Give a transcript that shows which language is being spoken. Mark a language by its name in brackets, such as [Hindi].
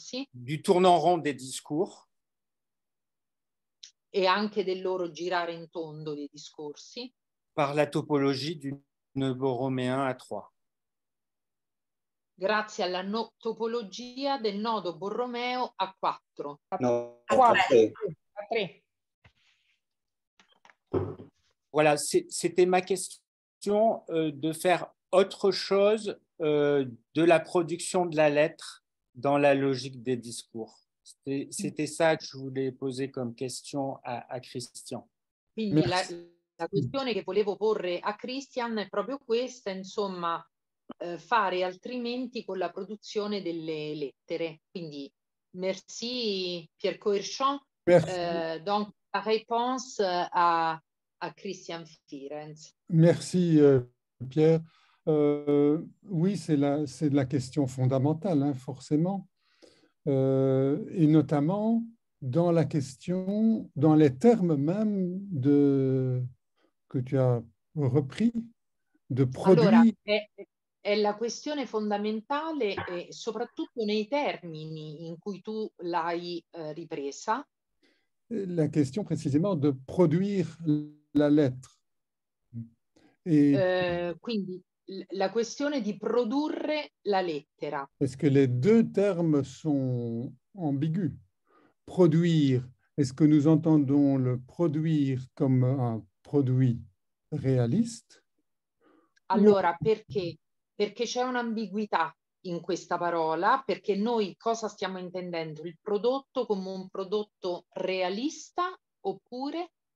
[French] Du tournant rond des discours. [Italian] E anche del loro girare in tondo dei discorsi. [French] Par la topologie du nouveau Roméen à trois. [Italian] Grazie alla topologia del nodo Borromeo a quattro. A tre. [French] Voilà, c'était ma question de faire autre chose de la production de la lettre. Dans la logique des discours. C'était ça que je voulais poser comme question à Christian. [Italian] Quindi la questione che volevo porre a Christian è proprio questa, insomma, fare altrimenti con la produzione delle lettere. Quindi, [French] merci Pierre Coerchon. Donc, la réponse à Christian Firenze. Merci Pierre. Oui, c'est la question fondamentale, hein, forcément, et notamment dans la question, dans les termes même de que tu as repris, de produire. [Italian] Allora, è la questione fondamentale e soprattutto nei termini in cui tu l'hai ripresa. [French] la question précisément de produire la lettre. [Italian] Et quindi la questione di produrre la lettera. [French] Est-ce que les deux termes sont ambigus? Produire, est-ce que nous entendons le produire comme un produit réaliste? [Italian] Allora, perché? Perché c'è un'ambiguità in questa parola, perché noi cosa stiamo intendendo? Il prodotto come un prodotto realista oppure?